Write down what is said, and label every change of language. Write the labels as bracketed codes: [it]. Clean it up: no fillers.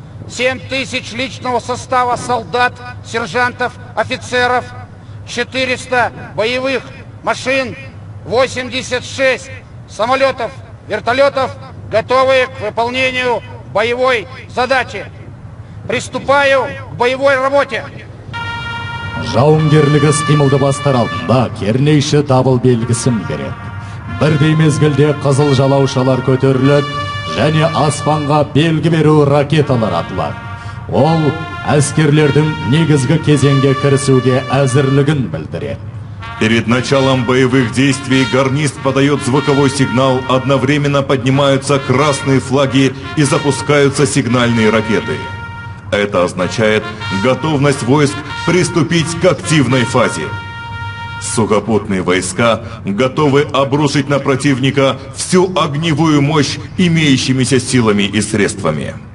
[ru] 7000 личного состава солдат, сержантов, офицеров, 400 боевых машин, 86 самолетов, вертолетов, готовые к выполнению боевой задачи. Приступаю к боевой работе. [kk] Жауынгерлігі стимылды бастар алдында кернейші дабыл белгісін береді. Бірдей мезгілде қызыл жалаушалар көтеріліп, және аспанға белгі беру ракеталар атылар. Ол әскерлердің негізгі кезеңге кірісуге әзірлігін білдіреді. [ru] Перед началом боевых действий гарнист подает звуковой сигнал, одновременно поднимаются красные флаги и запускаются сигнальные ракеты. Это означает готовность войск приступить к активной фазе. Сухопутные войска готовы обрушить на противника всю огневую мощь имеющимися силами и средствами.